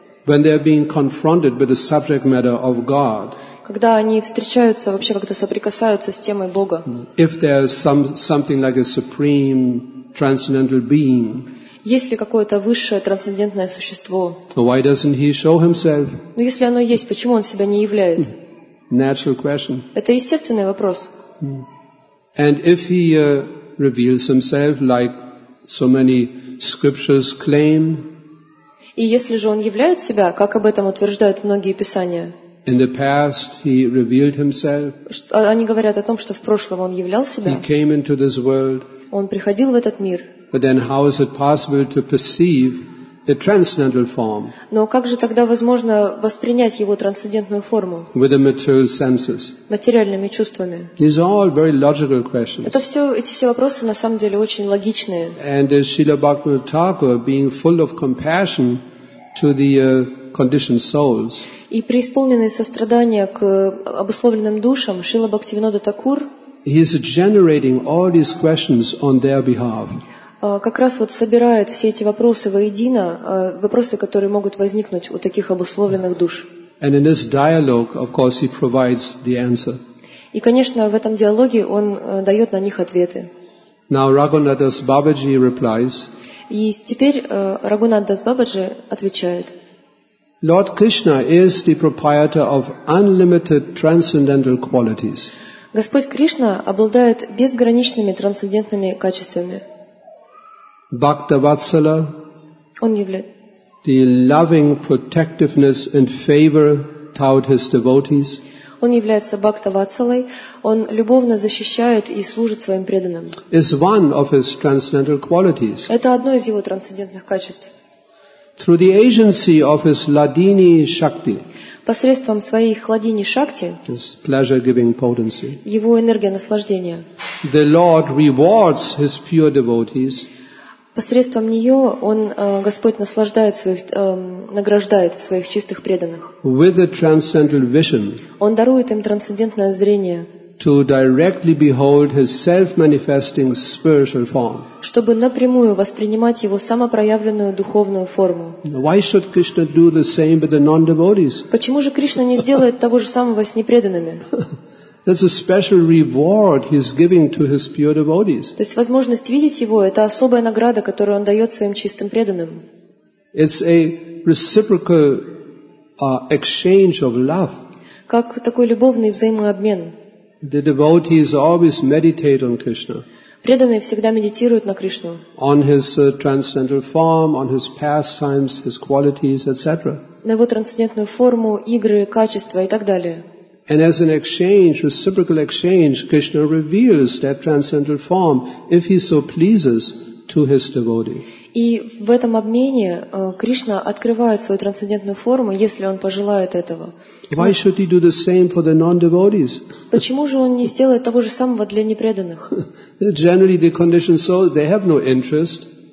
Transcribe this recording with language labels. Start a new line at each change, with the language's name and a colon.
English: When they are being confronted with the subject matter of God.
Russian: Когда они встречаются, вообще как-то соприкасаются с темой Бога.
English: If there is something like a supreme transcendental being.
Russian: Есть ли какое-то высшее трансцендентное существо?
English: Why doesn't he show himself?
Russian: Ну, если оно есть, почему он себя не являет?
English: Natural question.
Russian: Это естественный вопрос.
English: And if he reveals himself, like so many scriptures claim,
Russian: и если же он являет себя, как об этом утверждают многие писания,
English: in the past he revealed himself,
Russian: они говорят о том, что в прошлом он являл себя,
English: he came into this world,
Russian: он приходил в этот мир,
English: but then how is it possible to perceive a transcendental form?
Russian: Но как же тогда возможно воспринять его трансцендентную форму?
English: With the material senses.
Russian: Материальными чувствами.
English: These are all very logical questions.
Russian: Эти все вопросы на самом деле очень логичные.
English: And Srila Bhaktivinoda Thakur, being full of compassion to the conditioned souls.
Russian: И преисполненный сострадания к обусловленным душам, Шрила Бхактивинода Такур,
English: he is generating all these questions on their behalf.
Russian: Как раз вот собирает все эти вопросы воедино, вопросы, которые могут возникнуть у таких обусловленных душ.
English: And in this dialogue, of course, he provides the answer.
Russian: И, конечно, в этом диалоге он дает на них ответы.
English: Now Raghunath Das Babaji replies.
Russian: И теперь Raghunath Das Babaji отвечает.
English: Lord Krishna is the proprietor of unlimited transcendental qualities.
Russian: Господь Кришна обладает безграничными трансцендентными качествами. Бхакта Ватсала. Он является.
English: the loving protectiveness and favor toward his devotees.
Russian: Он является бхакта-ватсалой, он любовно защищает и служит своим преданным.
English: Is one of his transcendental qualities.
Russian: Это одно из его трансцендентных качеств.
English: Through the agency of his ладини шакти.
Russian: Посредством своей ладини шакти.
English: His pleasure-giving potency.
Russian: Его энергия наслаждения.
English: The Lord rewards his pure devotees.
Russian: Посредством нее он, Господь наслаждает своих, награждает своих чистых преданных.
English: With a transcendental vision.
Russian: Он дарует им трансцендентное зрение.
English: To directly behold his self-manifesting spiritual form.
Russian: Чтобы напрямую воспринимать его самопроявленную духовную форму.
English: Why should Krishna do the same with the non-devotees?
Russian: Почему же Кришна не сделает того же самого с непреданными?
English: That's a special reward he's giving to his pure devotees.
Russian: То есть возможность видеть его — это особая награда, которую он дает своим чистым преданным.
English: It's a reciprocal exchange of love.
Russian: Как такой любовный взаимообмен.
English: The devotees always meditate on Krishna.
Russian: Преданные всегда медитируют на Кришну.
English: On his transcendental form, on his pastimes, his qualities, etc.
Russian: На его трансцендентную форму, игры, качества и так далее.
English: And as an exchange, reciprocal exchange, Krishna reveals that transcendental form, if he so pleases, to his devotee.
Russian: И в этом обмене Кришна открывает свою трансцендентную форму, если он пожелает этого.
English: Why should he do the same for the non-devotees?
Russian: Почему же он не сделает того же самого для непреданных?
English: Generally, the conditioned souls, they have no interest.